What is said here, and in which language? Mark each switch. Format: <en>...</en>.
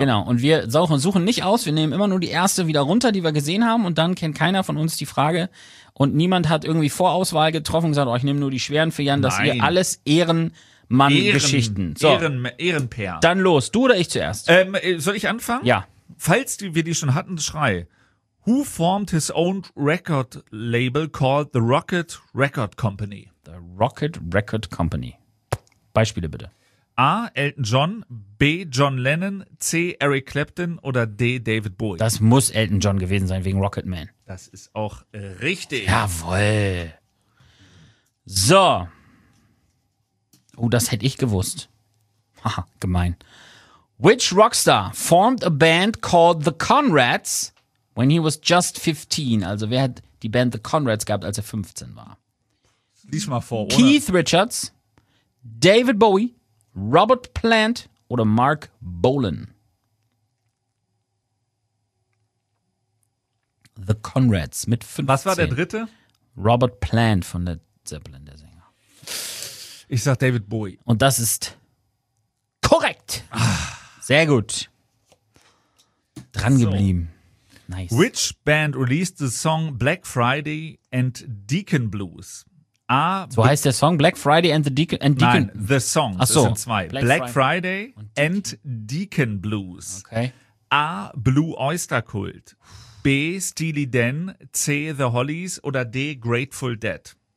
<de>Genau, und wir suchen nicht aus, wir nehmen immer nur die erste wieder runter, die wir gesehen haben, und dann kennt keiner von uns die Frage. Und niemand hat irgendwie Vorauswahl getroffen und gesagt, oh, ich nehme nur die schweren für Jan, nein, dass wir alles Ehrenmann-Geschichten. Ehrenpair. Dann los, du oder ich zuerst? Soll ich anfangen? Ja. Falls wir die schon hatten, schrei.</de> <en>Who formed his own record label called the Rocket Record Company? The Rocket Record Company.</en> <de>Beispiele bitte. A. Elton John, B. John Lennon, C. Eric Clapton oder D. David Bowie. Das muss Elton John gewesen sein wegen Rocketman. Das ist auch richtig. Jawohl. So. Oh, das hätte ich gewusst. Haha, gemein.</de> <en>Which Rockstar formed a band called The Conrads when he was just 15?</en> <de>Also wer hat die Band The Conrads gehabt, als er 15 war? Lies mal vor, oder? Keith Richards, David Bowie, Robert Plant oder Mark Bolan? The Conrads mit 15. Was war der dritte? Robert Plant von der Zeppelin, der Sänger. Ich sag David Bowie. Und das ist korrekt. Sehr gut. Dran geblieben. So. Nice.</de> <en>Which band released the song Black Friday and Deacon Blues?</en> <de>A, so heißt der Song, Black Friday and the Deacon.</de> <en>And Deacon. Nein, the song.</en> <de>Ach so. Das sind zwei. Black Friday and Deacon Blues. Okay. A, Blue Oyster Cult. B, Steely Dan. C, The Hollies. Oder D, Grateful Dead.</de>